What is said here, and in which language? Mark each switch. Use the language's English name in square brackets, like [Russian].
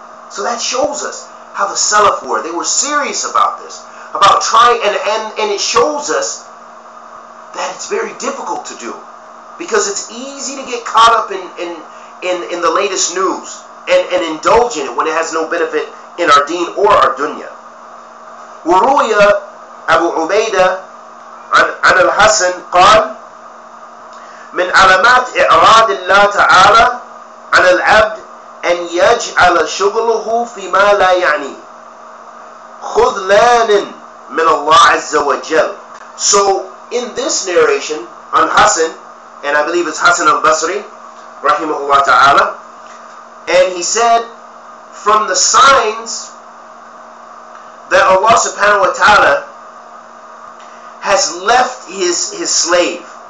[English] So that shows us how the Salaf were. They were serious about this, about trying, and it shows us that it's very difficult to do, because it's easy to get caught up in the latest news and indulge in it when it has no benefit in our deen or our dunya. [Arabic] Wuruya Abu Ubaidah عن الحسن قال من علامات إعراض الله تعالى عن العبد أن يجعل شغله فيما لا يعني خذلان من الله عز وجل. [English] So in this narration on Hassan, and I believe it's Hassan al-Basri rahimahullah ta'ala, and he said, from the signs that Allah subhanahu wa ta'ala has left his slave